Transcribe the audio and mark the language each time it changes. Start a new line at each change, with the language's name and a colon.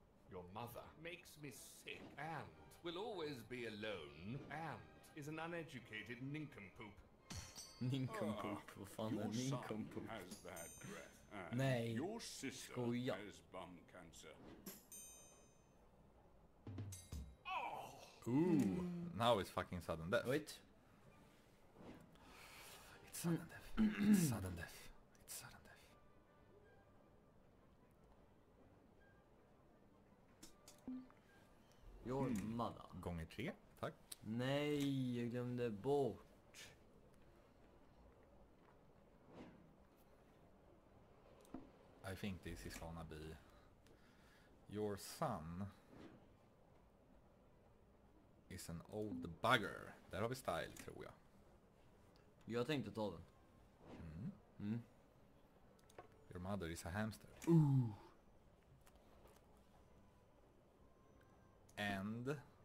English: Your mother makes me sick and will always be alone and is an uneducated nincompoop.
Swedish: Nincompoop, vad fan är nincompoop?
English: Your son has bad breath
Swedish: Nej.
English: Your sister has bum cancer. Ooh. Now it's fucking sudden death. Wait. It's sudden death. It's sudden death. It's sudden death. Your mother.
Swedish: Gånger tre, tack. Nej, jag glömde bort.
English: I think this is gonna be your son. Is an old bugger.
Swedish: Där har vi style, tror jag. Jag tänkte ta den.
English: Mm. Your mother is a hamster. Ooh. And